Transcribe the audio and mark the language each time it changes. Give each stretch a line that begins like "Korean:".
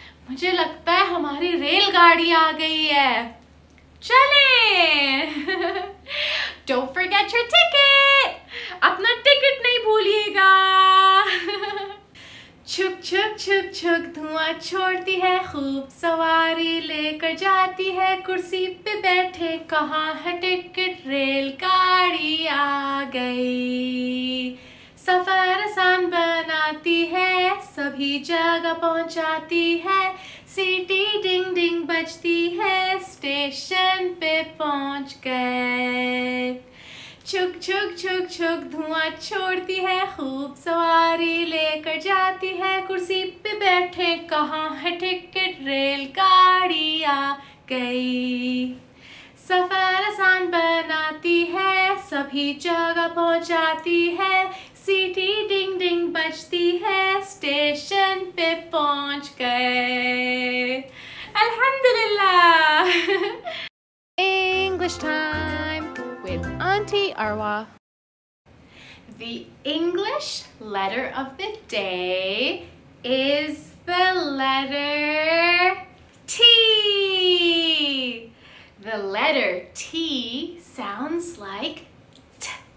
Hindi: मुझे लगता है हमारी रेलगाड़ी आ गई है. चलें.
English: Don't forget your ticket.
Hindi: अपना टिकट नहीं भूलिएगा. छुक छुक छुक छुक धुआं छोड़ती है खूब सवारी, लेकर जाती है कुर्सी पे बैठे, कहाँ है टिकट, रेलगाड़ी आ गई. सफर आसान बनाती है, सभी जगह पहुंचाती है, सीटी डिंग डिंग बजती है, स्टेशन पे पहुंच गए. छुक छुक छुक छुक धुआं छोड़ती है खूब सवारी, लेकर जाती है कुर्सी पे बैठे, कहाँ है टिकट, रेलगाड़ी आ गई. सफर आसान बनाती है, सभी जगह पहुंचाती है, सीटी डिंग डिंग बजती है, स्टेशन पे पहुंच गए. अल्हम्दुलिल्लाह.
English: English time with Aunty Arwa. The English letter of the day is the letter T. The letter T sounds like T.